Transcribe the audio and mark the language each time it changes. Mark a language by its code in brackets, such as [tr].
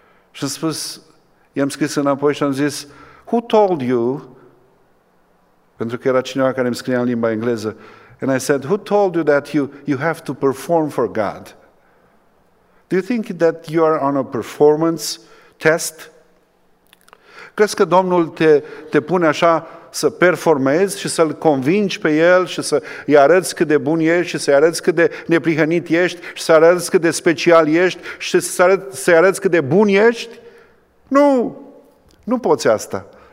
[ro] Și am spus, i-am scris înapoi și am zis, [en] who told you, [ro] pentru că era cineva care îmi scria în limba engleză, [en] and I said, who told you that you have to perform for God? Do you think that you are on a performance test? [ro] Crezi că Domnul te pune așa să performezi și să-L convingi pe El și să-I arăți cât de bun ești și să-I arăți cât de neprihănit ești și să-I arăți cât de special ești și să-I arăți cât de bun ești? Nu! Nu poți asta.